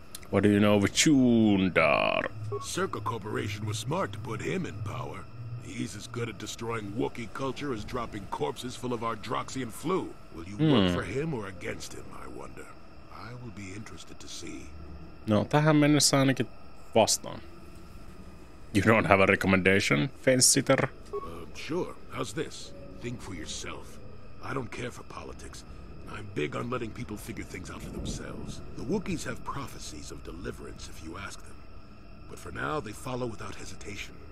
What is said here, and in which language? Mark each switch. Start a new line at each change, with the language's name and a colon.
English: What do you know of Chundar? Circa Corporation was smart to put him in power. He's as good at destroying Wookiee culture as dropping corpses full of Ardroxian flu. Will you work for him or against him, I wonder? I will be interested to see.
Finnish: No, tähän mennessä ainakin vastaan.
English: You don't have a recommendation, fence-sitter? Sure. How's this? Think for yourself. I don't care for politics. I'm big on letting people figure things out for themselves. The Wookiees have prophecies of deliverance if you ask them. But for now, they follow without hesitation.